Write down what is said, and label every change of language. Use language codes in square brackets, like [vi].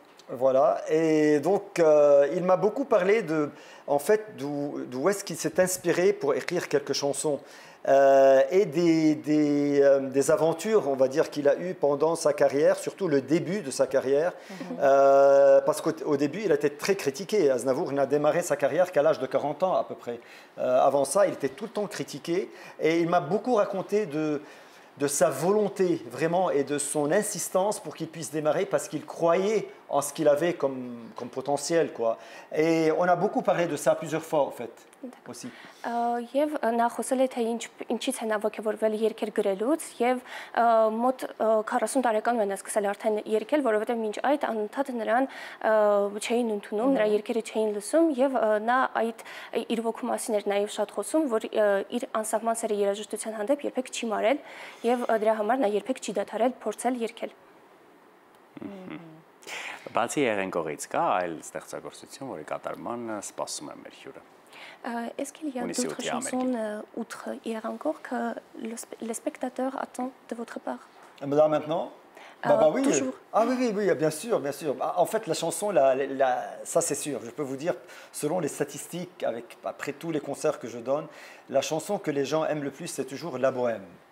[fr] Voilà, et donc il m'a beaucoup parlé de, en fait, d'où est-ce qu'il s'est inspiré pour écrire quelques chansons et des aventures, on va dire, qu'il a eues pendant sa carrière, surtout le début de sa carrière, parce qu'au début, il a été très critiqué. Aznavour n'a démarré sa carrière qu'à l'âge de 40 ans à peu près. Avant ça, il était tout le temps critiqué et il m'a beaucoup raconté de sa volonté vraiment et de son insistance pour qu'il puisse démarrer parce qu'il croyait en ce qu'il avait comme potentiel quoi. Et on a beaucoup parlé de ça plusieurs fois en fait. [hy] Եվ նա խոսել է, թե ինչից է նա ոգևորվել երկեր գրելուց, և մոտ 40 տարեկան է նա սկսել արդեն երկել, որովհետև մինչ այդ անընդհատ նրան չէին ընդունում, նրա երկերը չէին լսում, և նա այդ իր ոգու մասին էր նաև շատ խոսում, որ իր անսահման սերը երաժշտության հանդեպ երբեք չի մարել, և դրա համար նա երբեք չի դադարել փորձել երկել։ Բացի եղենկողից կա այլ ստեղծագործություն, որի կատարման սպասում է մեր հյուրը։ [fr] Est-ce qu'il y a d'autres chansons outre Hier encore que le spectateur attend de votre part? Là maintenant? Bah oui. Toujours. Ah oui, bien sûr, bien sûr. Bah, en fait, la chanson, ça c'est sûr. Je peux vous dire, selon les statistiques, après tous les concerts que je donne, la chanson que les gens aiment le plus, c'est toujours La Bohème.